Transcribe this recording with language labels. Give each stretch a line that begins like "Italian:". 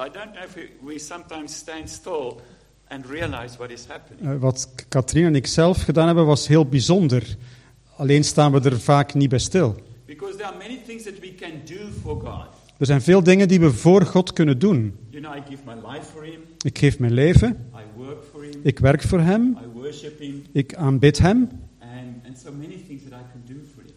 English: I don't know if we sometimes stand still and realize what is happening.
Dutch: Wat Katrien en ik zelf gedaan hebben was heel bijzonder. Alleen staan we er vaak niet bij stil.
English: Because there are many things that we can do for God.
Dutch: Er zijn veel dingen die we voor God kunnen doen.
English: You know, I give my life for him.
Dutch: Ik geef mijn leven.
English: I work for him.
Dutch: Ik werk voor hem.
English: I worship him.
Dutch: Ik aanbid hem.
English: And so many things that I can do for him.